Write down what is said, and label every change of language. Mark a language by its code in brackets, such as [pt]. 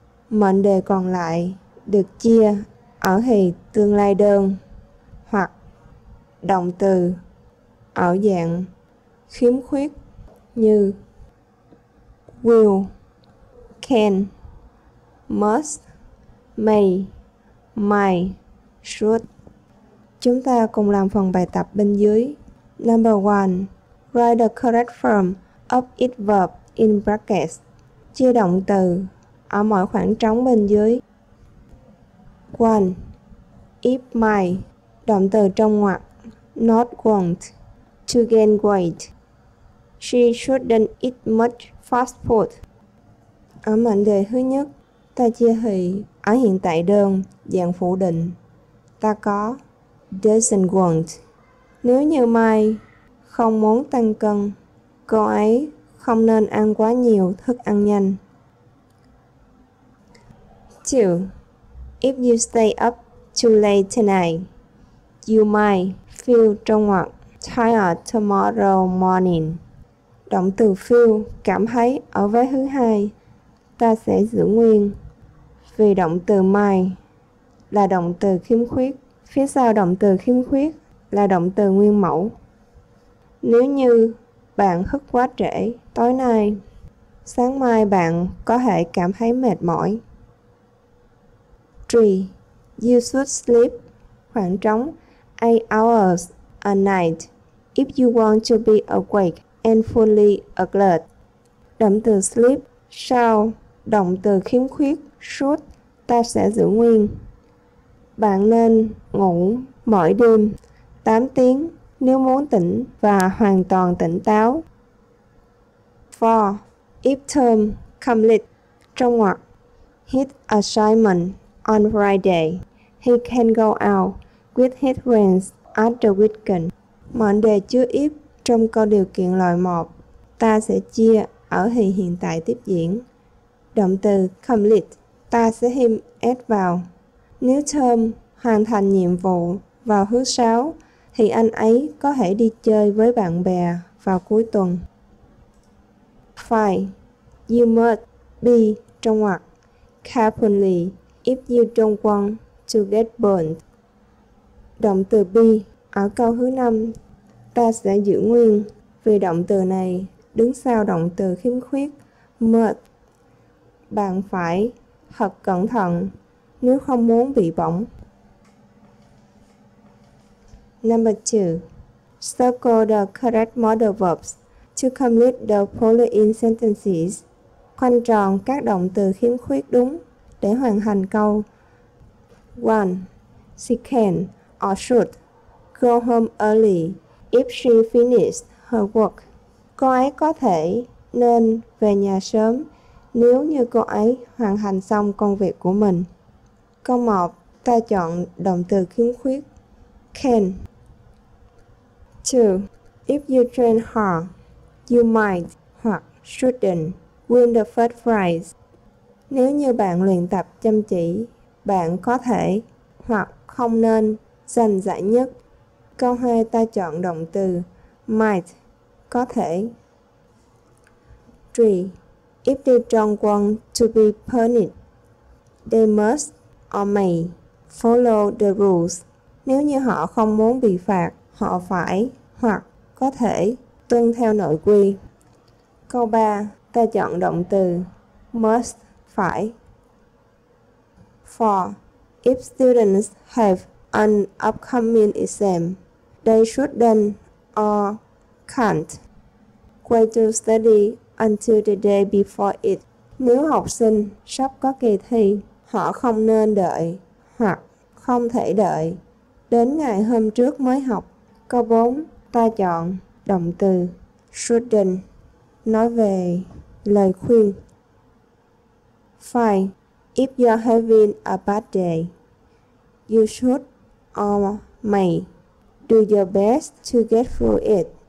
[vi] Mệnh đề còn lại được chia ở thì tương lai đơn hoặc động từ ở dạng khiếm khuyết như will, can, must, may, might, should. Chúng ta cùng làm phần bài tập bên dưới. [en] Number 1. Write the correct form of each verb in brackets. [vi] Chia động từ ở mọi khoảng trống bên dưới. [en] 1. If my, [vi] động từ trong ngoặc, [en] not want to gain weight, she shouldn't eat much fast food. [vi] Ở mệnh đề thứ nhất, ta chia thì ở hiện tại đơn, dạng phủ định. Ta có doesn't want. Nếu như Mai không muốn tăng cân, cô ấy không nên ăn quá nhiều thức ăn nhanh. 2. [en] If you stay up too late tonight, you might feel [vi] trong ngoặc [en] tired tomorrow morning. [vi] Động từ feel, cảm thấy ở vế thứ hai, ta sẽ giữ nguyên. Vì động từ may là động từ khiếm khuyết, phía sau động từ khiếm khuyết là động từ nguyên mẫu. Nếu như bạn thức quá trễ tối nay, sáng mai bạn có thể cảm thấy mệt mỏi. [en] 3. You should sleep [vi] khoảng trống [en] 8 hours a night if you want to be awake and fully alert. [vi] Động từ sleep sau động từ khiếm khuyết should, ta sẽ giữ nguyên. Bạn nên ngủ mỗi đêm 8 tiếng nếu muốn tỉnh và hoàn toàn tỉnh táo. 4. [en] if term complete [vi] trong ngoặc, [en] his assignment on Friday, he can go out with his friends at the weekend. [vi] Mệnh đề chứa if trong câu điều kiện loại 1, ta sẽ chia ở thì hiện tại tiếp diễn. Động từ complete, ta sẽ thêm s vào. Nếu term hoàn thành nhiệm vụ vào thứ 6, thì anh ấy có thể đi chơi với bạn bè vào cuối tuần. 5. [en] You must be [vi] trong ngoặc [en] carefully if you don't want to get burned. [vi] Động từ be ở câu thứ 5, ta sẽ giữ nguyên vì động từ này đứng sau động từ khiếm khuyết must. Bạn phải thật cẩn thận nếu không muốn bị bỏng. [en] Number 2. Circle the correct modal verbs to complete the following sentences. [vi] Khoanh tròn các động từ khiếm khuyết đúng để hoàn thành câu. 1. [en] She can or should go home early if she finished her work. [vi] Cô ấy có thể nên về nhà sớm nếu như cô ấy hoàn thành xong công việc của mình. Câu 1. Ta chọn động từ khiếm khuyết. [en] Can. 2. If you train hard, you might [vi] hoặc [en] shouldn't win the first prize. [vi] Nếu như bạn luyện tập chăm chỉ, bạn có thể hoặc không nên giành giải nhất. Câu 2, ta chọn động từ might, có thể. 3. [en] If they don't want to be punished, they must or may follow the rules. [vi] Nếu như họ không muốn bị phạt, họ phải hoặc có thể tuân theo nội quy. Câu 3, ta chọn động từ must, phải. 4. [en] If students have an upcoming exam, they shouldn't or can't wait to study until the day before it. [vi] Nếu học sinh sắp có kỳ thi, họ không nên đợi hoặc không thể đợi đến ngày hôm trước mới học. Câu 4, ta chọn động từ shouldn't, nói về lời khuyên. 5. [en] If you're having a bad day, you should or may do your best to get through it.